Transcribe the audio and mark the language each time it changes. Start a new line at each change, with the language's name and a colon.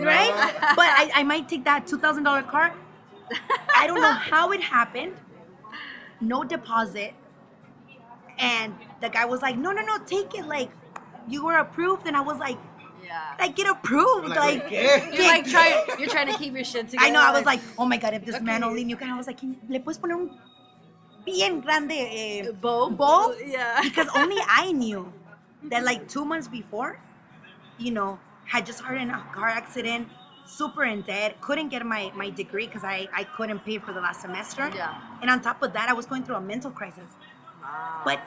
English: right? But I might take that $2,000 car. I don't know how it happened. No deposit. And the guy was like, no, take it. Like, you were approved. And I was like, yeah. Like, get approved. You're trying to keep your shit together. I know. I was like, oh my God, if this man only knew. I was like,
Spanish: ¿le puedes poner un bien grande
English: bow? Yeah. Because only I knew that, like, 2 months before, you know, had just heard in a car accident, super in debt, couldn't get my degree because I couldn't pay for the last semester. Yeah. And on top of that, I was going through a mental crisis. Wow.